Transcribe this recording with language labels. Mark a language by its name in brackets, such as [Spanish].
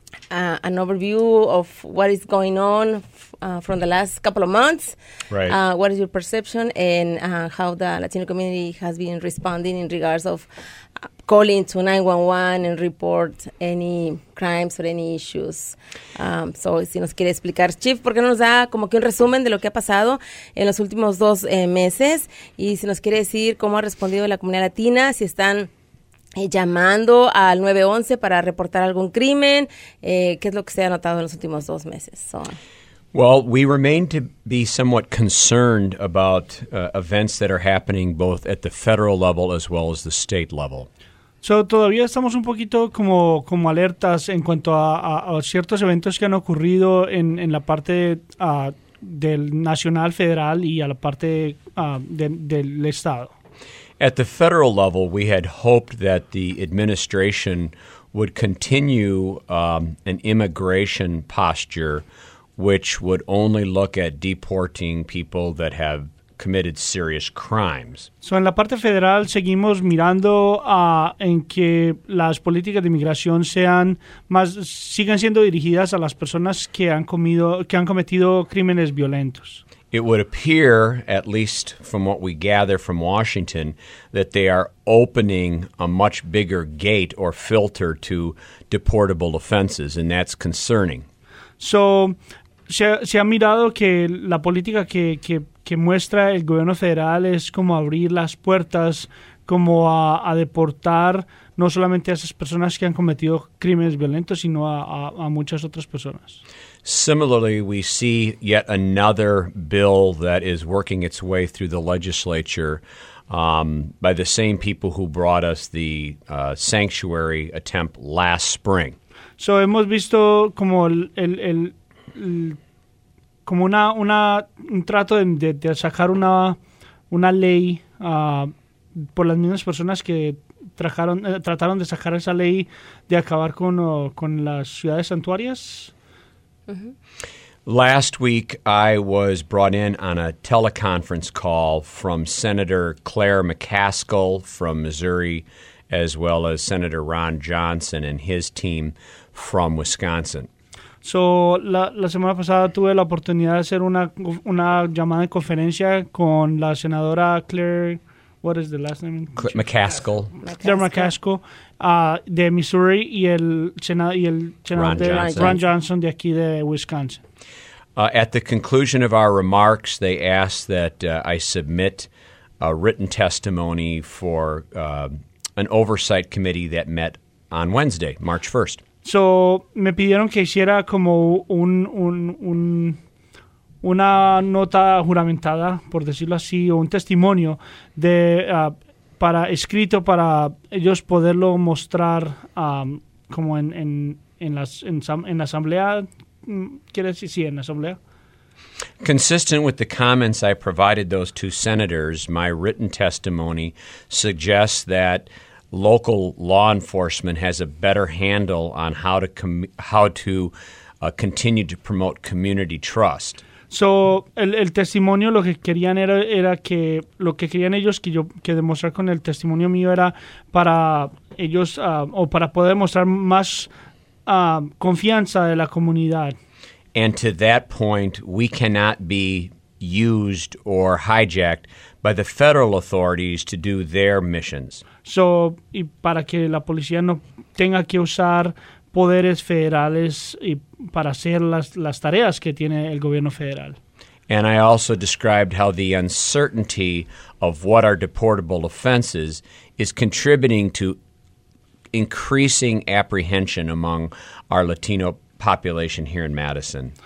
[English] An overview of what is going on from the last couple of months. Right. What is your perception and how the Latino community has been responding in regards of calling to 911 and report any crimes or any issues. [Spanish] So, si nos quiere explicar, Chief, ¿por qué no nos da como que un resumen de lo que ha pasado en los últimos dos meses? Y si nos quiere decir cómo ha respondido la comunidad latina, si están llamando al 911 para reportar algún crimen, ¿qué es lo que se ha notado en los últimos dos meses? [English] So. Well, we remain to be somewhat concerned about events that are happening both at the federal level as well as the state level. [Spanish] So, todavía estamos un poquito como alertas en cuanto a ciertos eventos que han ocurrido en la parte del nacional, federal y a la parte del estado. [English] At the federal level, we had hoped that the administration would continue an immigration posture which would only look at deporting people that have committed serious crimes. [Spanish] So, en la parte federal, seguimos mirando en que las políticas de inmigración sigan siendo dirigidas a las personas que han cometido crímenes violentos. [English] It would appear, at least from what we gather from Washington, that they are opening a much bigger gate or filter to deportable offenses, and that's concerning. [Spanish] So, se ha mirado que la política que muestra el gobierno federal es como abrir las puertas como a deportar no solamente a esas personas que han cometido crímenes violentos, sino a muchas otras personas. [English] Similarly, we see yet another bill that is working its way through the legislature by the same people who brought us the sanctuary attempt last spring. [Spanish] So, hemos visto como un trato de sacar una ley por las mismas personas que trataron de sacar esa ley de acabar con las ciudades santuarias. [English] Mm-hmm. Last week, I was brought in on a teleconference call from Senator Claire McCaskill from Missouri, as well as Senator Ron Johnson and his team from Wisconsin. [Spanish] So, la semana pasada tuve la oportunidad de hacer una llamada de conferencia con la senadora Claire, [English] what is the last name? McCaskill. [Spanish] Claire McCaskill. De Missouri y el senador Ron Johnson de aquí de Wisconsin. [English] At the conclusion of our remarks, they asked that I submit a written testimony for an oversight committee that met on Wednesday, March 1st. [Spanish] So, me pidieron que hiciera como una nota juramentada, por decirlo así, o un testimonio de para escrito para ellos poderlo mostrar como en la asamblea, ¿quiere decir? Sí, en la asamblea. [English] Consistent with the comments I provided those two senators, my written testimony suggests that local law enforcement has a better handle on how to continue to promote community trust. [Spanish] So, el testimonio lo que querían era que lo que querían ellos que yo que demostrar con el testimonio mío era para ellos o para poder mostrar más confianza de la comunidad. [English] And to that point, we cannot be used or hijacked by the federal authorities to do their missions. [Spanish] So, y para que la policía no tenga que usar poderes federales y para hacer las tareas que tiene el gobierno federal. [English] And I also described how the uncertainty of what are deportable offenses is contributing to increasing apprehension among our Latino population here in Madison.